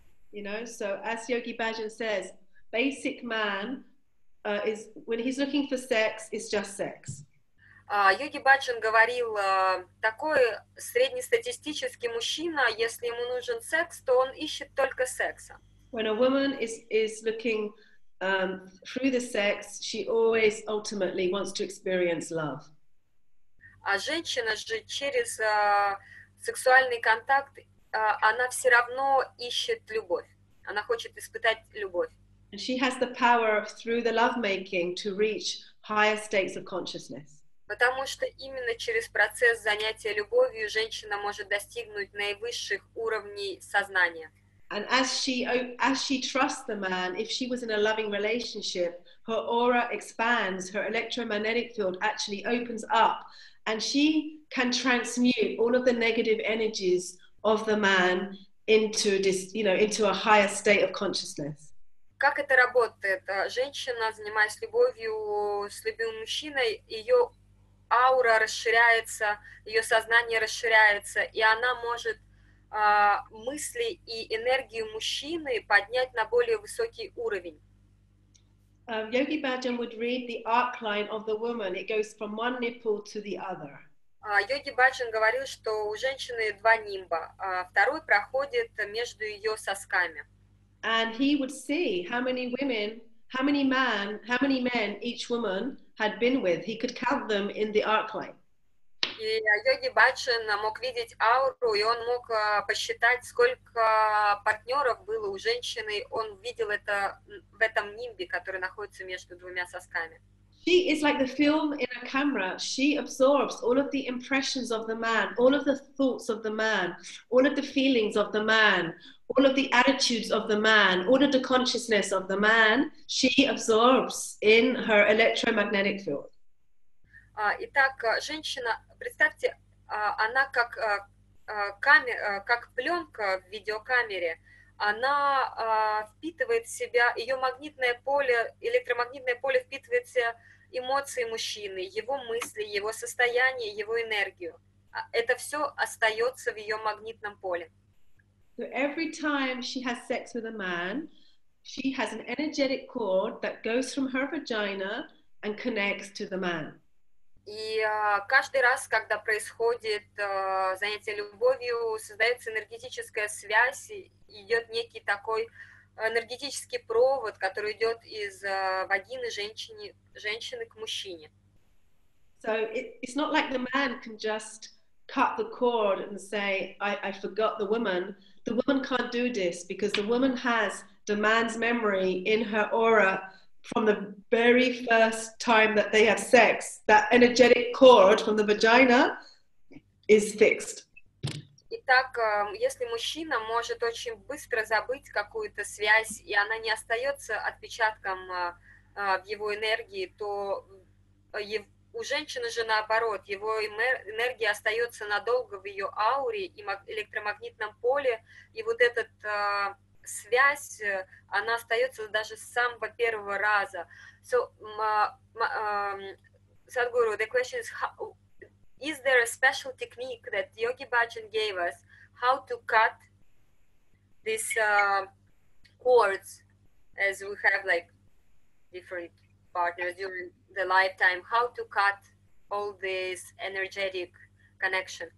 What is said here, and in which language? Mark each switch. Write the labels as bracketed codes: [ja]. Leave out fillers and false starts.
[en] You know, so as Yogi Bhajan says, basic man is when he's looking for sex, it's just sex. [ru] Йоги Баджан говорил, такой среднестатистический мужчина, если ему нужен секс, то он ищет только секса. [en] When a woman is looking through the sex, she always ultimately wants to experience love. [ru] А женщина же через сексуальный контакт, она все равно ищет любовь. Она хочет испытать любовь. [en] And she has the power through the lovemaking to reach higher states of consciousness. [ru] Потому что именно через процесс занятия любовью женщина может достигнуть наивысших уровней сознания. [en] And as she trusts the man, if she was in a loving relationship, her aura expands, her electromagnetic field actually opens up, and she can transmute all of the negative energies of the man into this, you know, into a higher state of consciousness. [ru] Как это работает? Женщина, занимаясь любовью с любимым мужчиной, ее аура расширяется, ее сознание расширяется, и она может мысли и энергию мужчины поднять на более высокий уровень. [en] Yogi Bhajan would read the arc line of the woman. It goes from one nipple to the other. [ru] Йоги Баджан говорил, что у женщины два нимба. Второй проходит между ее сосками. [en] And he would see how many men each woman had been with. He could count them in the arc line. [ru] И Йоги Баджан мог видеть ауру, и он мог посчитать, сколько партнеров было у женщины. Он видел это в этом нимбе, который находится между двумя сосками. [en] She is like the film in a camera, she absorbs all of the impressions of the man, all of the thoughts of the man, all of the feelings of the man, all of the attitudes of the man, all of the consciousness of the man, she absorbs in her electromagnetic field. [ru] Итак, женщина, представьте, она как как пленка в видеокамере, она впитывает в себя, ее магнитное поле, электромагнитное поле впитывает в себя эмоции мужчины, его мысли, его состояние, его энергию. Это все остается в ее магнитном поле. [en] So every time she has sex with a man, she has an energetic cord that goes from her vagina and connects to the man. [ru] И каждый раз, когда происходит занятие любовью, создается энергетическая связь, идет некий такой энергетический провод, который идет из вагины женщины к мужчине. [en] So it's not like the man can just cut the cord and say, I forgot the woman. The woman can't do this because the woman has the man's memory in her aura. From the very first time that they have sex, that energetic cord from the vagina is fixed. [ru] Итак, если мужчина может очень быстро забыть какую-то связь, и она не остается отпечатком в его энергии, то у женщины же наоборот, его энергия остается надолго в ее ауре и электромагнитном поле, и вот этот связь, она остается даже с самого первого раза. [en] So, Sadhguru, the question is, is there a special technique that Yogi Bhajan gave us how to cut these cords as we have like different partners during the lifetime, how to cut all this energetic connection?